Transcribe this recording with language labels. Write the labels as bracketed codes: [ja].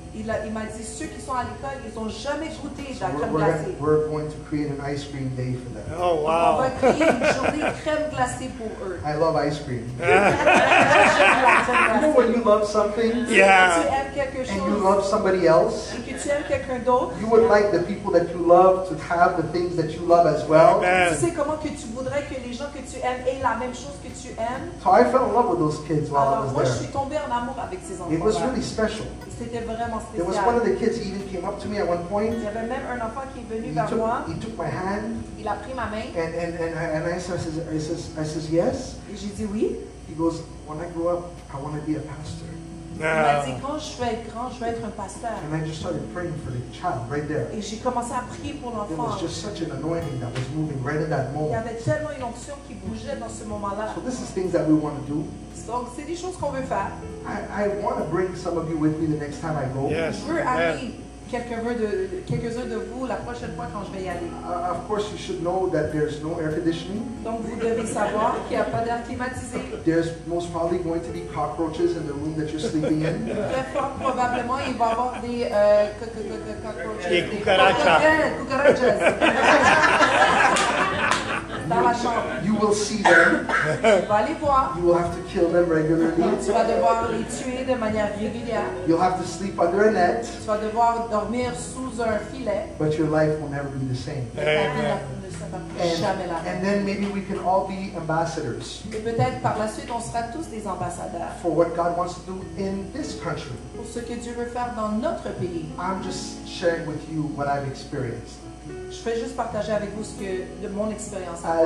[fr] Il m'a dit, ceux qui sont à l'école, ils n'ont jamais goûté de la crème glacée. [en] We're going to create an ice cream day for them. Oh, wow. [fr] On va créer une journée crème glacée pour eux. [en] I love ice cream. You know when you love something? Yeah. [fr] Tu aimes quelque chose? [en] And you love somebody else? [fr] Et que tu aimes quelqu'un d'autre. [en] You would like the people that you love to have the things that you love as well. [fr] Tu sais comment que tu voudrais que les gens que tu aimes aient la même chose que tu aimes. [en] So I fell in love with those kids while [fr] Alors, [en] I was [fr] moi, [en] there. [fr] Je suis tombée en amour avec ces enfants. [en] It was really special. [fr] C'était vraiment spécial. [en] It was one of the kids even came up to me at one point. [fr] Il y avait même un enfant qui est venu vers moi. [en] He took my hand. [fr] Il a pris ma main. [en] And I says yes. [fr] Et j'ai dit oui. [en] He goes, when I grow up, I want to be a pastor. Yeah. And I just started praying for the child right there. [fr] Et j'ai commencé à prier pour l'enfant. [en] It was just such an anointing that was moving right in that moment. [fr] Il y avait tellement une onction qui bougeait dans ce moment-là. [en] So this is things that we want to do. [fr] Donc c'est des choses qu'on veut faire. [en] I want to bring some of you with me the next time I go. Yes. [fr] Je veux amener quelques-uns de vous la prochaine fois quand je vais y aller. [en] Of course, you should know that there's no air conditioning. [fr] Donc vous devez savoir qu'il n'y a pas d'air climatisé. [en] There's most probably going to be cockroaches in the room that you're sleeping in. [fr] Très fort, probablement, il va y avoir des cockroaches. Des cucarachas. [es] Cucarachas. [en] You will see them. You will have to kill them regularly. [fr] Tu vas devoir les tuer de manière régulière. [en] You'll have to sleep under a net. [fr] Tu vas devoir dormir sous un filet. [en] But your life will never be the same. And then maybe we can all be ambassadors. [fr] Et peut-être par la suite on sera tous des ambassadeurs. [en] For what God wants to do in this country. [fr] Pour ce que Dieu veut faire dans notre pays. [en] I'm just sharing with you what I've experienced. [fr] Je vais juste partager avec vous ce que de mon expérience.